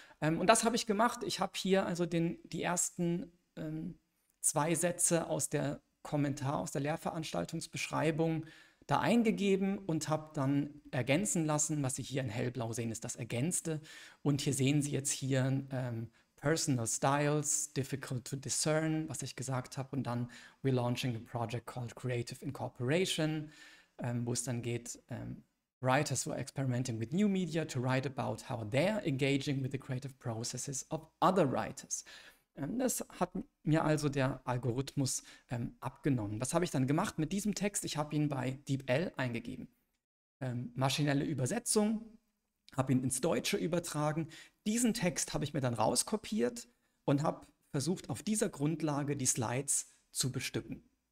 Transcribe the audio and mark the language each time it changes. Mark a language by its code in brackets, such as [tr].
[de] Und das habe ich gemacht. Ich habe hier also die ersten zwei Sätze aus der Kommentar aus der Lehrveranstaltungsbeschreibung da eingegeben und habe dann ergänzen lassen. Was Sie hier in hellblau sehen, ist das Ergänzte. Und hier sehen Sie jetzt hier [en] Personal Styles, Difficult to Discern, [de] was ich gesagt habe. Und dann [en] We're launching a project called Creative Incorporation, [de] wo es dann geht, [en] Writers who are experimenting with new media to write about how they're engaging with the creative processes of other writers. [de] Das hat mir also der Algorithmus abgenommen. Was habe ich dann gemacht mit diesem Text? Ich habe ihn bei DeepL eingegeben. Maschinelle Übersetzung, habe ihn ins Deutsche übertragen. Diesen Text habe ich mir dann rauskopiert und habe versucht, auf dieser Grundlage die Slides zu bestücken.